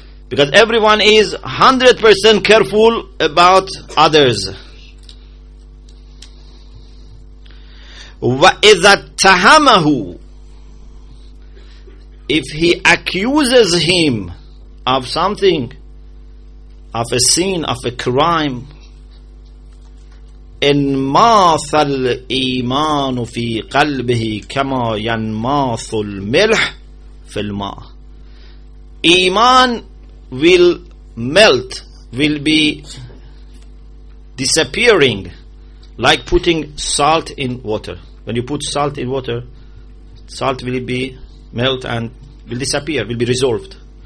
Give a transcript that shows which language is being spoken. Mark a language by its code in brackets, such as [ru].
[en] Because everyone is 100% careful about others. [ar] وَإِذَا تَهَمَهُ. [en] If he accuses him of something, of a sin, of a crime, [ar] انماث الايمان في قلبه كما ينماث الملح في الماء. [en] Iman will melt, will be disappearing, like putting salt in water. When you put salt in water, salt will be melt and will disappear, will be resolved.